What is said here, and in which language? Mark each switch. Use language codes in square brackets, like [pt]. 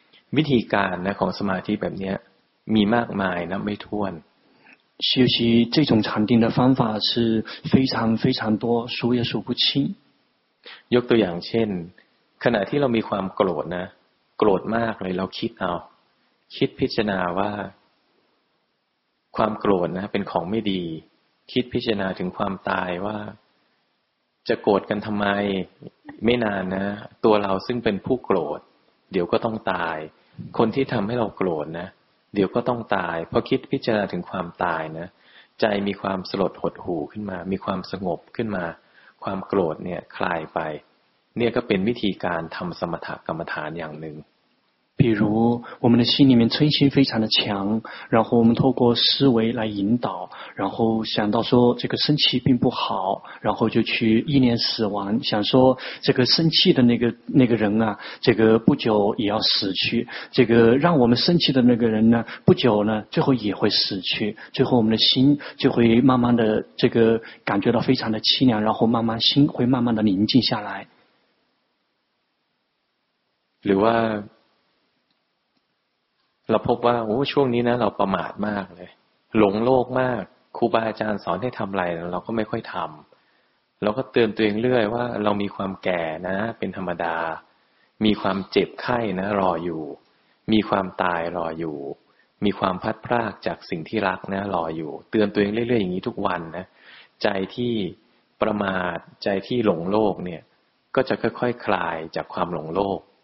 [th] วิธีการนะของสมาธิแบบนี้มีมากมายนะไม่ถ้วน [zh] 修习这种禅定的方法是非常非常多数也数不清 [th] ยกตัวอย่างเช่นขณะที่เรามีความโกรธนะโกรธมากเลยเราคิดเอาคิดพิจารณาว่าความโกรธนะเป็นของไม่ดีคิดพิจารณาถึงความตายว่า จะโกรธกันทำไมไม่นานนะตัวเราซึ่งเป็นผู้โกรธเดี๋ยวก็ต้องตายคนที่ทำให้เราโกรธนะเดี๋ยวก็ต้องตายพอคิดพิจารณาถึงความตายนะใจมีความสลดหดหู่ขึ้นมามีความสงบขึ้นมาความโกรธเนี่ยคลายไปเนี่ยก็เป็นวิธีการทำสมถกรรมฐานอย่างหนึ่ง [zh] 比如我们的心里面嗔心非常的强，然后我们透过思维来引导，然后想到说这个生气并不好，然后就去意念死亡，想说这个生气的那个人啊，这个不久也要死去，这个让我们生气的那个人呢，不久呢最后也会死去，最后我们的心就会慢慢的这个感觉到非常的凄凉，然后慢慢心会慢慢的宁静下来。 [th] หรือว่าเราพบว่าโอ้ช่วงนี้นะเราประมาทมากเลยหลงโลกมากครูบาอาจารย์สอนให้ทำอะไรเราก็ไม่ค่อยทำเราก็เตือนตัวเองเรื่อยว่าเรามีความแก่นะเป็นธรรมดามีความเจ็บไข้นะรออยู่มีความตายรออยู่มีความพัดพรากจากสิ่งที่รักนะรออยู่เตือนตัวเองเรื่อยๆอย่างนี้ทุกวันนะใจที่ประมาทใจที่หลงโลกเนี่ยก็จะค่อยๆ คลายจากความหลงโลก